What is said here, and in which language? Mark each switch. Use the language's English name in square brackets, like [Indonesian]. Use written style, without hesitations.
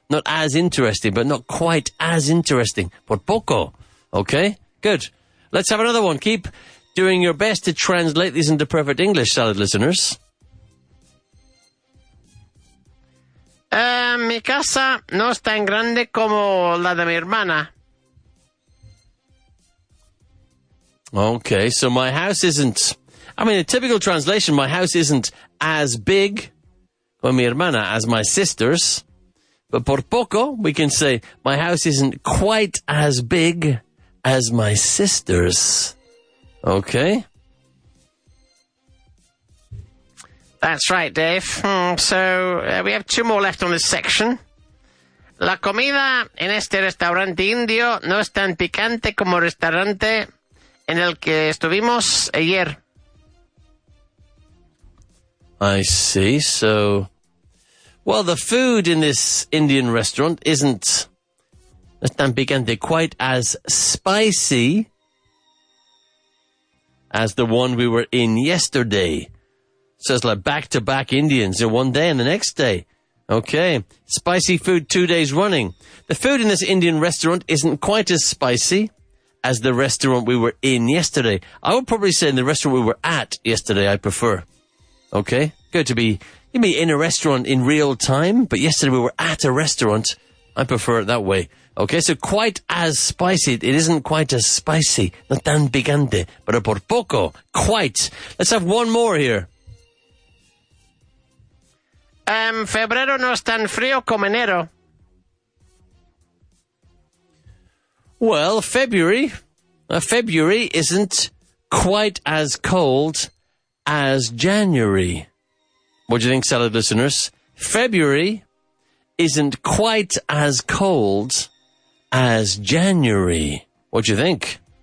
[English] Not as interesting, but not quite as interesting. [Spanish] Por poco. [English] Okay, good. Let's have another one. Keep doing your best to translate these into perfect English, salad listeners. [Spanish] Mi casa no es tan grande como la de mi hermana. [English] Okay, so my house isn't... I mean, a typical translation, my house isn't as big, [Spanish] con mi hermana, [English] as my sister's. But [Spanish] por poco, [English] we can say, my house isn't quite as big as my sister's. Okay? That's right, Dave. We have two more left on this section. [Spanish] La comida en este restaurante indio no es tan picante como restaurante... en el que estuvimos ayer. [English] I see. So, well, the food in this Indian restaurant isn't [Spanish] tan picante, [English] quite as spicy as the one we were in yesterday. So it's like back-to-back Indians in one day and the next day. Okay. Spicy food 2 days running. The food in this Indian restaurant isn't quite as spicy as the restaurant we were in yesterday. I would probably say in the restaurant we were at yesterday, I prefer. Okay? Good to be, you mean in a restaurant in real time, but yesterday we were at a restaurant. I prefer it that way. Okay? So quite as spicy. It isn't quite as spicy. [Spanish] No tan picante, pero por poco. [English] Quite. Let's have one more here. [Spanish] Febrero no es tan frío como enero. [English] Well, February isn't quite as cold as January. What do you think, salad listeners? February isn't quite as cold as January. What do you think?